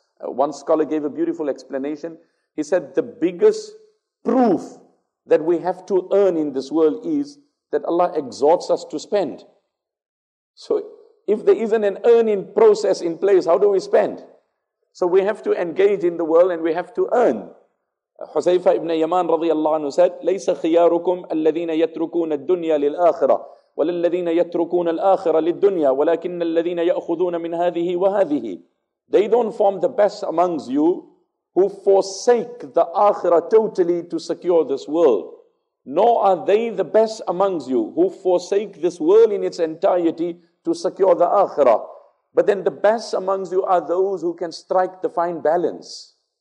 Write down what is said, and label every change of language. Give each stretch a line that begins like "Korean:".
English: One scholar gave a beautiful explanation. He said, the biggest proof that we have to earn in this world is that Allah exhorts us to spend. So if there isn't an earning process in place, how do we spend? So we have to engage in the world and we have to earn. Huzaifa ibn Yaman radiallahu anhu said,
Arabic: لَيْسَ خِيَارُكُمْ الَّذِينَ يَتْرُكُونَ الدُّنْيَا لِلْآخِرَةِ وَلَلَّذِينَ يَتْرُكُونَ الْآخِرَةِ لِلدُّنْيَا وَلَكِنَّ الَّذِينَ يَأْخُذُونَ مِنْ هَذِهِ وَهَذِهِ.
English: They don't form the best amongst you who forsake the akhirah totally to secure this world. Nor are they the best amongst you who forsake this world in its entirety to secure the akhirah. But then the best amongst you are those who can strike the fine balance.